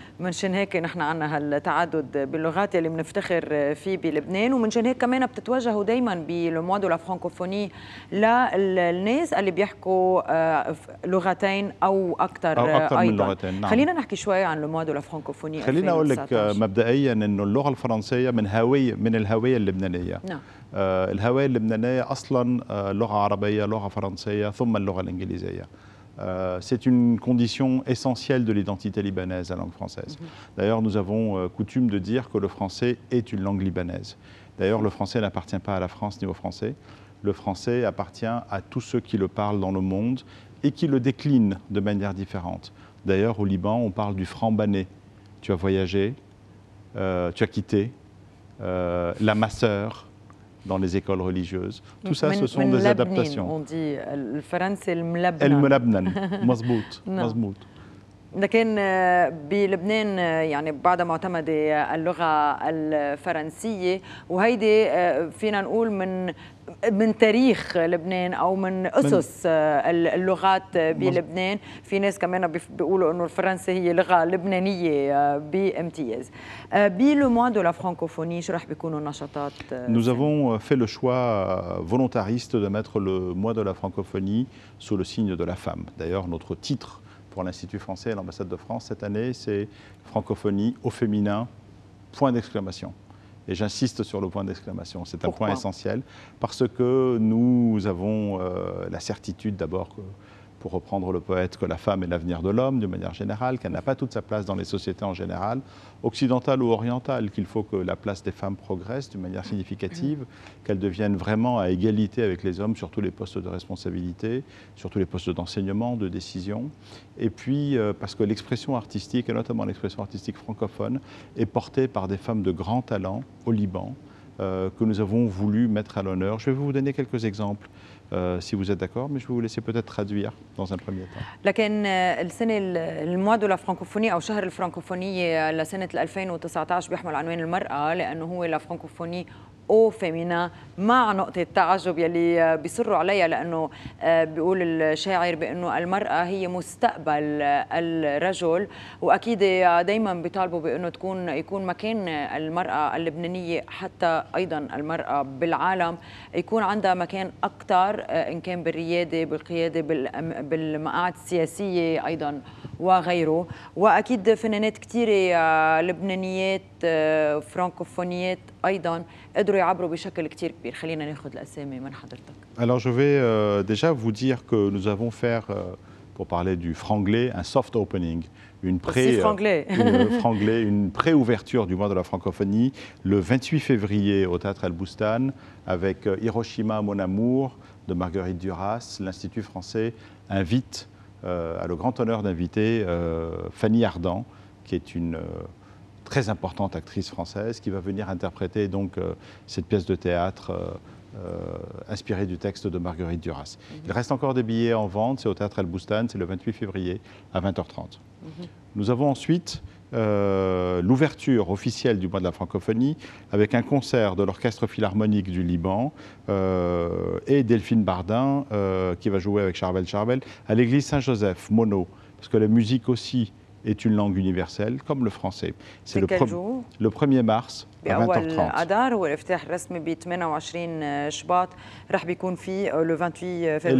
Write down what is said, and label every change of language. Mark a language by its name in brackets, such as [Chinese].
[Arabic] منشان هيك نحن عنا هالتعدد باللغات اللي منفتخر فيه بلبنان، ومنشان هيك كمان بتتوجهوا دايما بالمو دو لا فرانكوفوني للناس اللي بيحكوا لغتين او اكثر. او اكثر من لغتين. نعم. خلينا نحكي شوي عن المو دو لا فرانكوفوني. خلينا اقول لك مبدئيا انه اللغه الفرنسيه من الهويه اللبنانيه. نعم. الهويه اللبنانيه اصلا لغه عربيه، لغه فرنسيه، ثم اللغه الانجليزيه. [French] C'est une condition essentielle de l'identité libanaise, la langue française. D'ailleurs, nous avons coutume de dire que le français est une langue libanaise. D'ailleurs, le français n'appartient pas à la France ni aux Français. Le français appartient à tous ceux qui le parlent dans le monde et qui le déclinent de manière différente. D'ailleurs, au Liban, on parle du franc-banais. Tu as voyagé, tu as quitté, la masseur. Dans les écoles religieuses. Tout ça, ce sont des adaptations. On dit le français, le mlabnan. [Arabic] El mlabnan, mazbout, mazbout. لكن بلبنان يعني بعد ما اعتمد اللغة الفرنسية وهيدي فينا نقول من تاريخ لبنان أو من أسس اللغات بلبنان. في ناس كمان بيقولوا إنه الفرنسية هي لغة لبنانية بامتياز. بلموان دو لا فرانكوفوني شو رح بيكونوا النشاطات؟ [French] Nous avons fait le choix volontariste de mettre le mois de la francophonie sous le signe de la femme. D'ailleurs, notre titre pour l'Institut français et l'ambassade de France cette année, c'est francophonie au féminin, point d'exclamation. Et j'insiste sur le point d'exclamation, c'est un point essentiel, parce que nous avons la certitude d'abord, pour reprendre le poète, que la femme est l'avenir de l'homme, de manière générale, qu'elle n'a pas toute sa place dans les sociétés en général, occidentales ou orientales, qu'il faut que la place des femmes progresse d'une manière significative, qu'elles deviennent vraiment à égalité avec les hommes sur tous les postes de responsabilité, sur tous les postes d'enseignement, de décision. Et puis, parce que l'expression artistique, et notamment l'expression artistique francophone, est portée par des femmes de grand talent au Liban, que nous avons voulu mettre à l'honneur. Je vais vous donner quelques exemples. si vous êtes d'accord, mais je vais vous laisser peut-être traduire dans un premier temps. [Arabic] لكن السنة المواد de la francophonie أو شهر الفرنكوفونية لسنة 2019 بيحمل عنوان المرأة لأنه هو la francophonie او فيمينا مع نقطة تعجب يلي بيصروا عليها لأنه بيقول الشاعر بأنه المرأة هي مستقبل الرجل وأكيد دايما بيطالبوا بأنه تكون يكون مكان المرأة اللبنانية حتى أيضا المرأة بالعالم يكون عندها مكان أكثر إن كان بالريادة بالقيادة بالمقاعد السياسية أيضا وغيره وأكيد فنانات كثيرة لبنانيات فرانكوفونيات أيضا قدروا يعبروا بشكل كثير كبير خلينا ناخذ الأسامي من حضرتك. [French] Alors je vais déjà vous dire que nous avons fait pour parler du franglais un soft opening. Une pré-ouverture du mois de la francophonie le 28 février au Théâtre El Bustan avec Hiroshima Mon Amour de Marguerite Duras. L'Institut français invite, a le grand honneur d'inviter Fanny Ardant, qui est une très importante actrice française, qui va venir interpréter donc cette pièce de théâtre inspiré du texte de Marguerite Duras. Mm-hmm. Il reste encore des billets en vente, c'est au Théâtre El Bustan, c'est le 28 février à 20h30. Mm-hmm. Nous avons ensuite l'ouverture officielle du mois de la francophonie avec un concert de l'Orchestre Philharmonique du Liban et Delphine Bardin qui va jouer avec Charbel Charbel à l'église Saint-Joseph, Mono, parce que la musique aussi est une langue universelle comme le français. C'est le 1er mars. [Arabic] بأول أدار هو الافتتاح الرسمي ب 28 شباط راح بيكون في لو 28 فبراير